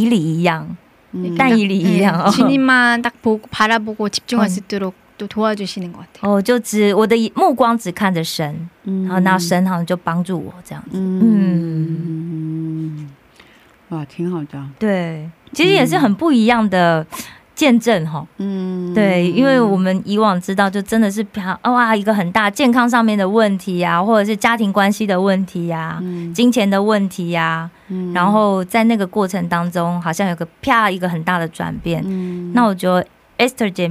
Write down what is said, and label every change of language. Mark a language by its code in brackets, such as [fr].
[zh] 就像就算我在问题里面，就像啊，但以但以理一样，但以理一样。 [ko] 주님만 딱 보고 바라보고 집중할 수 있도록. 또 도와주시는 것 같아요. [zh] 어, 就只我的目光只看着神，然后那神好像就帮助我这样子。嗯，哇，挺好的。对，其实也是很不一样的见证哈。嗯，对，因为我们以往知道，就真的是啪哇一个很大健康上面的问题啊，或者是家庭关系的问题啊，金钱的问题啊，然后在那个过程当中，好像有个啪一个很大的转变。那我觉得 Esther